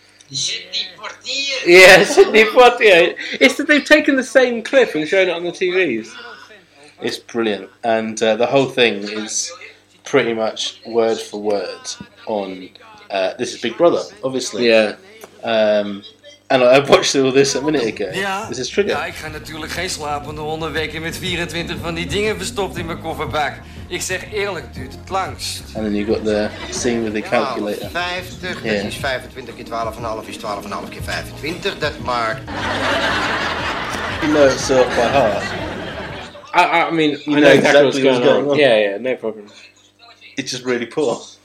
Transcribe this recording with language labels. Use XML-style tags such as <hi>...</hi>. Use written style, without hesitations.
<en>Sidney Poitier. Yeah, Sidney Poitier. It's that they've taken the same clip and shown it on the TVs. It's brilliant. And the whole thing is pretty much word for word on this is Big Brother, obviously. Yeah. And I watched all this a minute ago. Yeah. This is Trigger.</en> <nl>Ja, ik ga natuurlijk geen slapende honden wekken met 24 van die dingen verstopt in mijn kofferbak. Ik zeg eerlijk, duurt het langs.</nl> <en>And then you got the scene with the calculator.</en> <nl>50, yeah. Dat is 25 keer 12,5 is 12,5 keer 25. Dat maakt.</nl> <en>You know it's so by heart. I mean, you know exactly what's going on. Yeah, no problem. It's just really poor.</en>